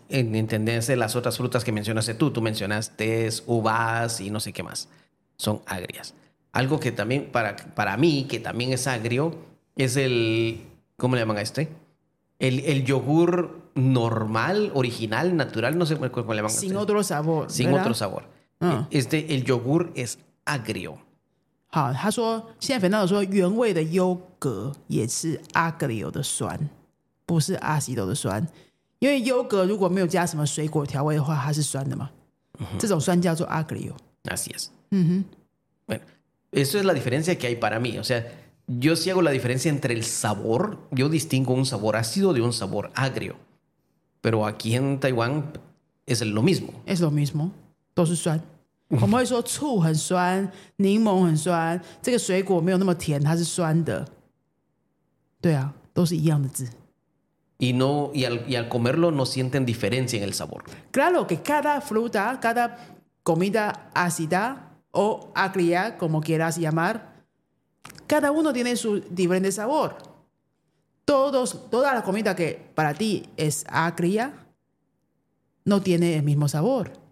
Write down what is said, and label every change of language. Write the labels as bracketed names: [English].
[Spanish] En entenderse, las otras frutas que mencionaste tú, tú mencionaste uvas y no sé qué más, son agrias. Algo que también, para mí, que también es agrio, es el, ¿cómo le llaman a este? El yogur normal, original, natural, no sé cómo le llaman sin a este. Otro sabor, sin ¿verdad? Otro sabor. Este, el yogur es agrio. [Chinese] 好，他说，现在粉道说原味的优格也是 agrio 的酸，不是 ácido 的酸，因为优格如果没有加什么水果调味的话，它是酸的嘛。Uh-huh. 这种酸叫做 agrio。 [Spanish] Así es. 嗯哼。 Bueno, eso es la diferencia que hay para mí. O sea, yo sí hago la diferencia entre el sabor. Yo distingo un sabor ácido de un sabor agrio. Pero aquí en Taiwán es lo mismo. Es lo mismo. [Chinese] 都是酸。我们会说醋很酸，柠檬很酸，这个水果没有那么甜，它是酸的。对啊，都是一样的字。 [Spanish] Y no, y al comerlo no sienten diferencia en el sabor. Claro que cada fruta, cada comida ácida o agria, como quieras llamar, cada uno tiene su diferente sabor. Toda la comida que para ti es agria no tiene el mismo sabor.